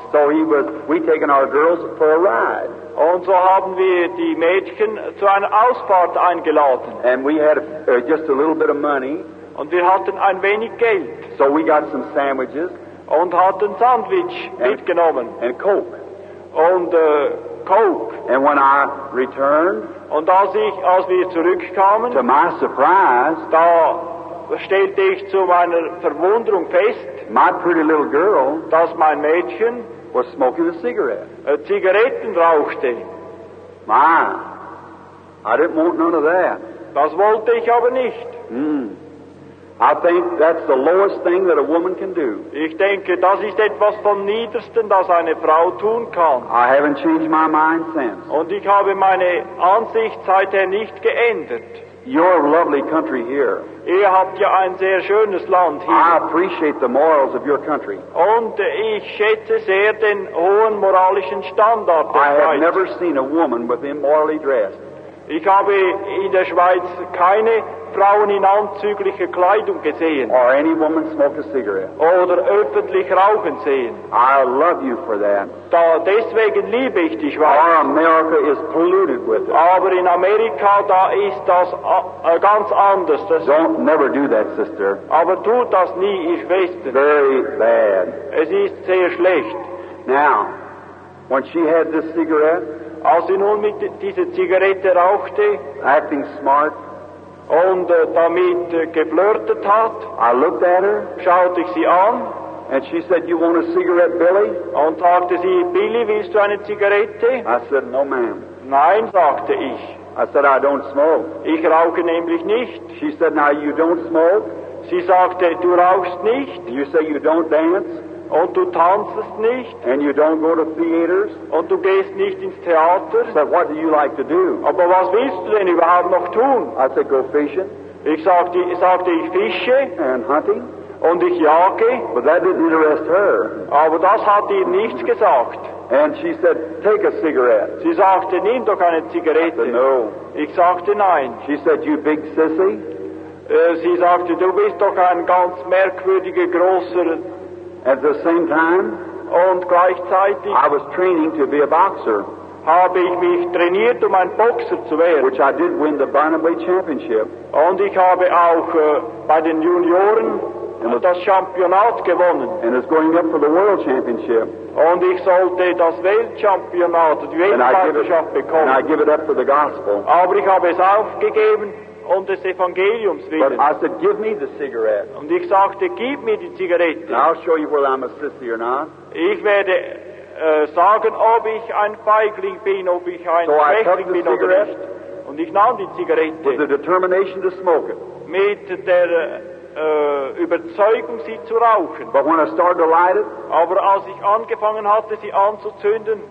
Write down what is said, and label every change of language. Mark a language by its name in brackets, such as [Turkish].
[English] so we taken our girls for a ride, [German] und so haben wir die Mädchen zu einer Ausfahrt eingeladen, [English] and we had just a little bit of money, [German] und wir hatten ein wenig Geld, [English] so we got some sandwiches, [German] und hatten Sandwich mitgenommen, [English] and Coke, [German] und Coke. [English] And when I returned, [German] und als wir zurückkamen, [English] to my surprise, [German] da stellte ich zu meiner Verwunderung fest, [English] my pretty little girl, [German] dass mein Mädchen, [English] was smoking a cigarette, [German] Zigaretten rauchte. [English] My, I didn't want none of that. [German] Das wollte ich aber nicht. [English] I think that's the lowest thing that a woman can do. [German] Ich denke, das ist etwas vom Niedersten, das eine Frau tun kann. [English] I haven't changed my mind since. [German] Und ich habe meine Ansicht seither nicht geändert. [English] Your lovely country here. [German] Ihr habt ja ein sehr schönes Land hier. [English] I appreciate the morals of your country. [German] Und ich schätze sehr den hohen moralischen Standard der Schweiz. [English] I have never seen a woman with immorally dressed. [German] Ich habe in der Schweiz keine Frauen in anzüglicher Kleidung gesehen. [English] Or any woman smoke a cigarette. [German] Oder öffentlich rauchen sehen. [English] I love you for that. [German] Da deswegen liebe ich die Schweiz. [English] Our America is polluted with it. [German] Aber in Amerika, da ist das ganz anders. Das [English] don't never do that, sister. [German] Aber tut das nie, ihr Schwester. [English] Very bad. [German] Es ist sehr schlecht. [English] Now, when she had this cigarette, [German] als sie nun mit dieser Zigarette rauchte, [English] acting smart, [German] und damit geflirtet hat, [English] I looked at her, [German] schaute ich sie an, [English] and she said, "You want a cigarette, Billy?" [German] Und sagte sie, "Billy, willst du eine Zigarette?" [English] I said, "No, ma'am." [German] Nein, sagte ich. [English] I said, "I don't smoke." [German] Ich rauche nämlich nicht. [English] She said, "Now you don't smoke." [German] Sie sagte, du rauchst nicht. [English] You say you don't dance. [German] Und du tanzest nicht. [English] And you don't go to theaters. [German] Und du gehst nicht ins Theater. [English] But what do you like to do? [German] Aber was willst du denn überhaupt noch tun? [English] I said, go fishing. [German] Ich sagte, ich fische. [English] And hunting. [German] Und ich jage. [English] But that didn't interest her. [German] Aber das hat ihr nichts gesagt. [English] And she said, take a cigarette. [German] Sie sagte, nimm doch eine Zigarette. [English] I said, no. [German] Ich sagte, nein. [English] She said, you big sissy. [German] Sie sagte, du bist doch ein ganz merkwürdiger, großer... [English] At the same time, [German] und gleichzeitig, [English] I was training to be a boxer. [German] Habe ich mich trainiert, um ein Boxer zu werden. [English] Which I did win the Barnaby Championship. [German] Und ich habe auch bei den Junioren das Championat gewonnen. [English] And it's going up for the World Championship. [German] Und ich sollte das Weltchampionat, die Weltmeisterschaft bekommen. [English] And I give it up for the gospel. [German] Aber ich habe es aufgegeben. Um des Evangeliums willen. [English] But I said, give me the cigarette. [German] Und ich sagte, gib mir die Zigarette. [English] And I'll show you whether I'm a sissy or not. [German] Ich werde sagen, ob ich ein Feigling bin, ob ich ein Schwächling bin oder nicht. Und ich nahm die Zigarette. [English] With the determination to smoke it. [German] Mit der Überzeugung, sie zu rauchen. [English] But when I started to light it, [German] aber als ich angefangen hatte, sie anzuzünden,